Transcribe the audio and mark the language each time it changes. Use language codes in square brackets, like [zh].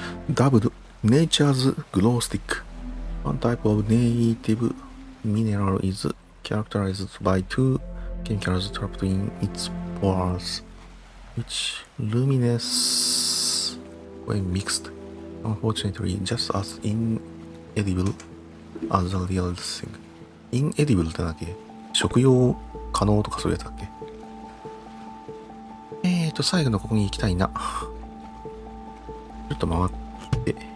[ja] ダブルネイチャーズグロースティック。 [en] One type of native mineral is characterized by two chemicals trapped in its pores, which luminesce when mixed. Unfortunately, just as inedible as the real thing. [ja] Inedible ってなんだっけ？食用可能とかそういうやつだっけ？最後のここに行きたいな。ちょっと回って。